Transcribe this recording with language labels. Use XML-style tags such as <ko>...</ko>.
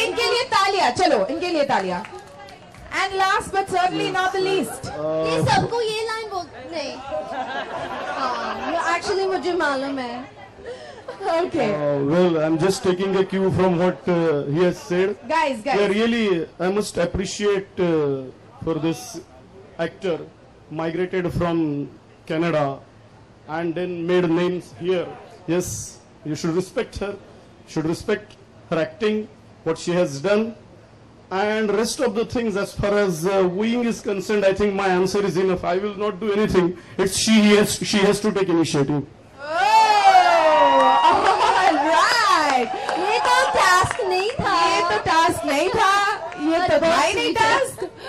<hi>इनके लिए तालियां, चलो इनके लिए तालियां।</hi> <en>And last but certainly yes, not the least.</en> <hi>ये सबको ये लाइन बोल नहीं। हाँ, actually मुझे मालूम है।</hi> <en>Okay. Well, I'm just taking a cue from what he has said. Guys. Yeah, really, I must appreciate for this actor migrated from Canada and then made names here. Yes, you should respect her. Should respect her acting, what she has done. And rest of the things as far as wooing is concerned, I think my answer is enough. I will not do anything. It's she has to take initiative. Oh, all right.</en> <hi>ये तो task नहीं था। ये तो task नहीं था। ये तो भाई नहीं task।</hi>